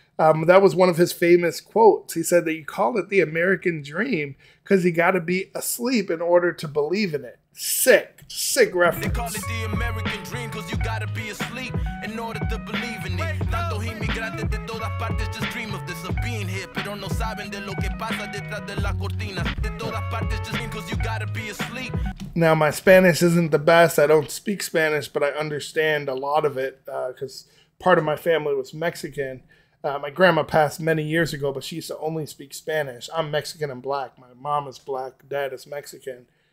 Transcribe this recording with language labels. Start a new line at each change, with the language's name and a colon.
English: That was one of his famous quotes. He said that you call it the American dream because you got to be asleep in order to believe in it. Sick, sick reference. They call it the American dream because you got to be asleep in order to believe in it.
Spanish: Tanto inmigrante de todas partes
English: just dream of this, of being here.
Spanish: Pero no saben de lo que pasa detrás de la cortina. De todas partes
English: just dream because you got to be asleep. Now, my Spanish isn't the best. I don't speak Spanish, but I understand a lot of it because part of my family was Mexican. My grandma passed many years ago, but she used to only speak Spanish. I'm Mexican and black. My mom is black. Dad is Mexican.